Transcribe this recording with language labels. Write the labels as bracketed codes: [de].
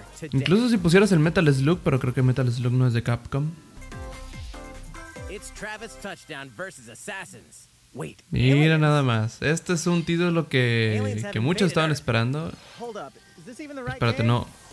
[es] Incluso si pusieras el Metal Slug, pero creo que Metal Slug no es de Capcom. [en] It's Travis Touchdown versus Assassins. [es] Mira nada más, este es un título que muchos estaban esperando. Espérate, no.